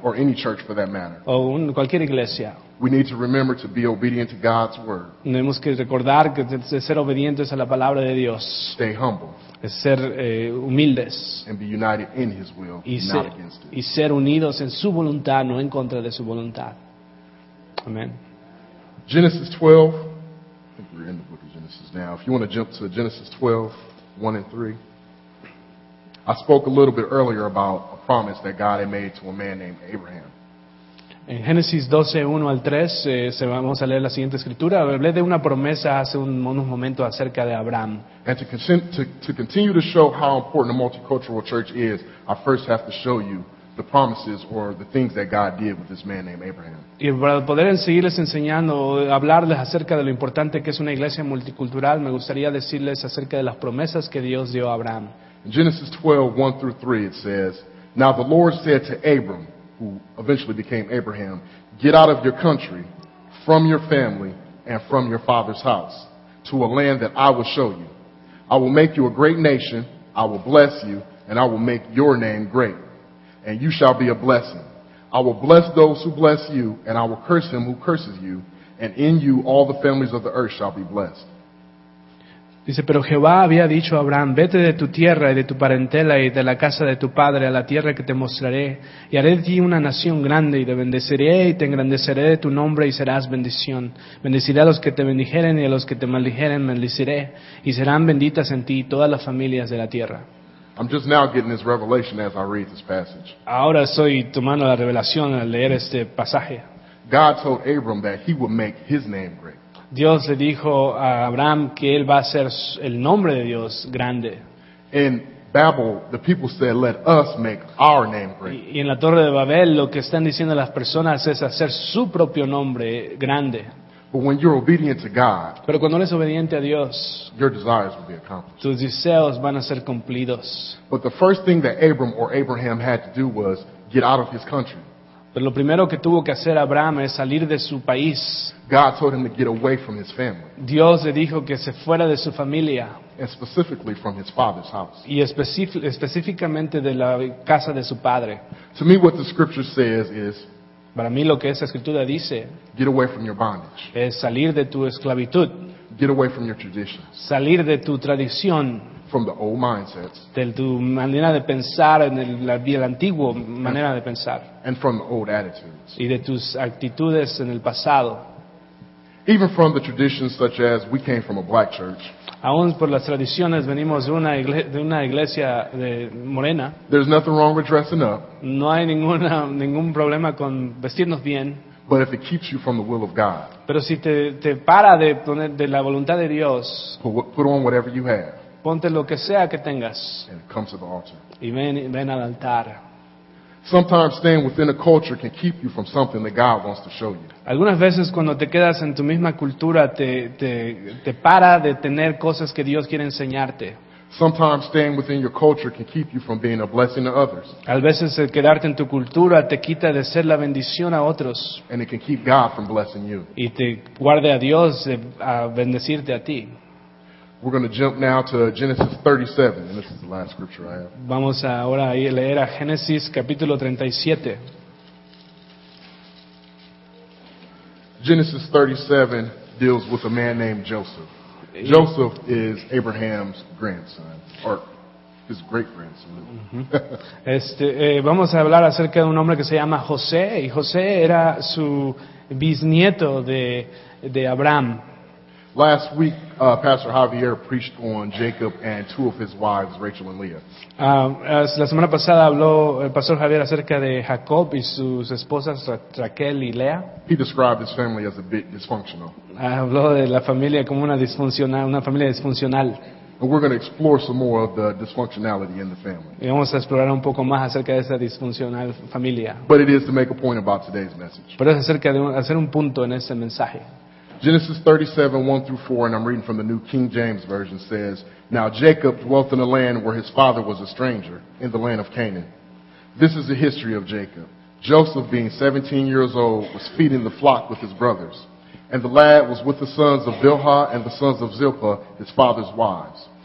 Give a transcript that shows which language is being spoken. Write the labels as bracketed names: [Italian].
[English] or any church for that matter, [Spanish] o cualquier iglesia, [English] we need to remember to be obedient to God's word. [Spanish] Tenemos que recordar que ser obedientes a la palabra de Dios. [English] Stay humble. [Spanish] Es ser humildes. [English] And be united in His will, not against it. [Spanish] Y ser unidos en su voluntad, no en contra de su voluntad. [English] Amen. Genesis 12. I think we're in the book of Genesis now. If you want to jump to Genesis 12, 1 and 3. I spoke a little bit earlier about a promise that God had made to a man named Abraham. [Spanish] En Génesis 12:1 al 3, vamos a leer la siguiente escritura. Hablé de una promesa hace unos momentos acerca de Abraham. [English] And to continue to show how important a multicultural church is, I first have to show you the promises or the things that God did with this man named Abraham. [Spanish] Y para poder seguirles enseñando, hablarles acerca de lo importante que es una iglesia multicultural, me gustaría decirles acerca de las promesas que Dios dio a Abraham. [English] In Genesis 12:1-3, it says, "Now the Lord said to Abram," who eventually became Abraham, "get out of your country, from your family, and from your father's house, to a land that I will show you. I will make you a great nation, I will bless you, and I will make your name great. And you shall be a blessing. I will bless those who bless you, and I will curse him who curses you, and in you all the families of the earth shall be blessed." [Spanish] Dice, pero Jehová había dicho a Abraham, vete de tu tierra y de tu parentela y de la casa de tu padre a la tierra que te mostraré, y haré de ti una nación grande, y te bendeciré y te engrandeceré de tu nombre y serás bendición. Bendeciré a los que te bendijeren y a los que te maldijeren bendeciré, y serán benditas en ti todas las familias de la tierra. [English] I'm just now getting this revelation as I read this passage. [Spanish] Ahora estoy tomando la revelación al leer este pasaje. [English] God told Abram that he would make his name great. [Spanish] Dios le dijo a Abraham que él va a ser el nombre de Dios grande. [English] In Babel, the people said, "Let us make our name great." [Spanish] Y en la Torre de Babel, lo que están diciendo las personas es hacer su propio nombre grande. [English] But when you're obedient to God, [Spanish] pero cuando eres obediente a Dios, [English] your desires will be accomplished. [Spanish] Tus deseos van a ser cumplidos. [English] But the first thing that Abram or Abraham had to do was get out of his country. [Spanish] Pero lo primero que tuvo que hacer Abraham es salir de su país. [English] God told him to get away from his family. [Spanish] Dios le dijo que se fuera de su familia. [English] And specifically from his father's house. [Spanish] Y específicamente de la casa de su padre. [English] To me, what the scripture says is, [Spanish] para mí lo que esa escritura dice, [English] get away from your bondage. [Spanish] Es salir de tu esclavitud. [English] Get away from your traditions. [Spanish] Salir de tu tradición. [English] From the old mindsets. [Spanish] De tu manera de pensar, en el antiguo manera de pensar. [English] And from the old attitudes. [Spanish] Y de tus actitudes en el pasado. [English] Even from the traditions such as we came from a black church. [Spanish] Aún por las tradiciones venimos de una iglesia de morena. [English] There's nothing wrong with dressing up. [Spanish] No hay ningún problema con vestirnos bien. [English] But if it keeps you from the will of God. [Spanish] Pero si te para de poner de la voluntad de Dios. [English] Put on whatever you have. [Spanish] Ponte lo que sea que tengas. [English] And come to the altar. [Spanish] Y ven al altar. [English] Sometimes staying within a culture can keep you from something that God wants to show you. [Spanish] Algunas veces cuando te quedas en tu misma cultura te para de tener cosas que Dios quiere enseñarte. [English] Sometimes staying within your culture can keep you from being a blessing to others. [Spanish] A veces el quedarte en tu cultura te quita de ser la bendición a otros. [English] And it can keep God from blessing you. [Spanish] Y te guarde a Dios de bendecirte a ti. [English] We're going to jump now to Genesis 37, and this is the last scripture I have. [Spanish] Vamos ahora a leer a Génesis capítulo 37. [English] Genesis 37 deals with a man named Joseph. Joseph is Abraham's grandson, or his great-grandson. Mm-hmm. [Spanish] Vamos a hablar acerca de un hombre que se llama José, y José era su bisnieto de Abraham. [English] Last week, Pastor Javier preached on Jacob and two of his wives, Rachel and Leah. [Spanish] La semana pasada habló el Pastor Javier acerca de Jacob y sus esposas, Raquel y Leah. [English] He described his family as a bit dysfunctional. [Spanish] Habló de la familia como una familia disfuncional. [English] And we're going to explore some more of the dysfunctionality in the family. [Spanish] Y vamos a explorar un poco más acerca de esa disfuncional familia. [English] But it is to make a point about today's message. [Spanish] Pero es acerca de hacer un punto en este mensaje. [English] Genesis 37:1-4, and I'm reading from the New King James Version, says, "Now Jacob dwelt in a land where his father was a stranger, in the land of Canaan. This is the history of Jacob. Joseph, being 17 years old, was feeding the flock with his brothers. And the lad was with the sons of Bilhah and the sons of Zilpah, his father's wives.